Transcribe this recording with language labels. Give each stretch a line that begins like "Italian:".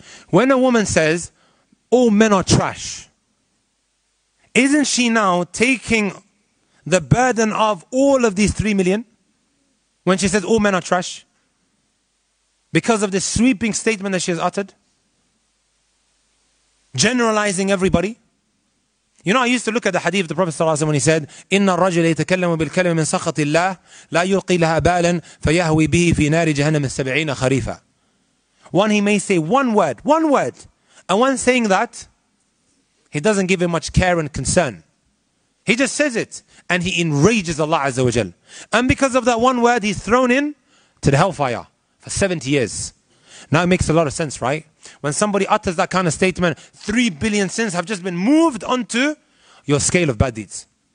English: When a woman says, all men are trash, isn't she now taking the burden of all of these 3 million? When she says all men are trash because of this sweeping statement that she has uttered, generalizing everybody. You know, I used to look at the hadith of the Prophet ﷺ when he said,
Arabic: إِنَّ الرَّجُلَ يَتَكَلَّمُ بِالْكَلَمِ مِنْ سَخَطِ اللَّهِ لَا يُلْقِي لَهَا بَالًا فَيَهْوِي بِهِ فِي نَارِ جَهَنَّمِ السَّبْعِينَ خَرِيفًا.
English: One, he may say one word. And when saying that, he doesn't give him much care and concern. He just says it. And he enrages Allah Azza wa Jal. And because of that one word, he's thrown in to the hellfire for 70 years. Now it makes a lot of sense, right? When somebody utters that kind of statement, 3 billion sins have just been moved onto your scale of bad deeds.